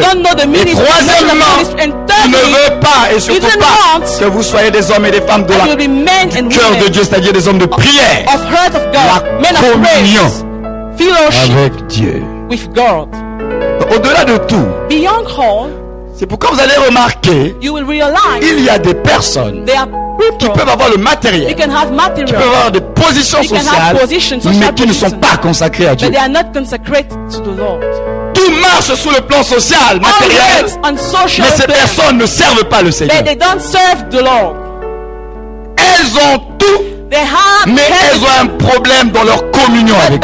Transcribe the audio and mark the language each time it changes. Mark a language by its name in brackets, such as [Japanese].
[French] Et troisièmement, il ne veut pas et surtout pas que vous soyez des hommes et des femmes de la cœur de Dieu, c'est-à-dire des hommes de prière, la communion avec Dieu. Au-delà de tout, [English] beyond all, [French] c'est pourquoi vous allez remarquer, [English] you will realize, [French] il y a des personnes, [English] there are people, [French] qui peuvent avoir le matériel, [English] you can have material, [French] qui peuvent avoir des positions sociales, [English] you can have position, social [French] mais qui ne sont pas consacrées à Dieu. [English] But they are not consecrated to the Lord. [French] Tout marche sous le plan social, matériel, [English] on social, [French] mais ces personnes ne servent pas le Seigneur. [English] But they don't serve the Lord. [French] Elles ont tout, [English] they have [French] mais elles ont un problème dans leur communion avec